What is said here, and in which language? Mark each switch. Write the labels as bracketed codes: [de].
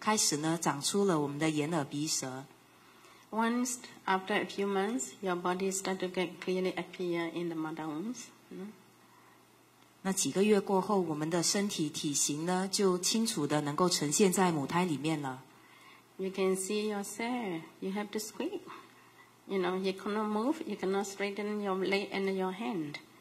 [zh] 那我们能够看到，我们从母胎的第一天，我们开始呢，一直的在长大，一直到3个星期的时候，我们从一粒小球开始呢，长出了我们的眼耳鼻舌。 [en] Once after a few months, your body started to get clearly appear in the mother wounds. [zh] 那几个月过后，我们的身体体型呢，就清楚的能够呈现在母胎里面了。 [en] You can see yourself. You have to squeak. You know, you cannot move. You cannot straighten your leg and your hand.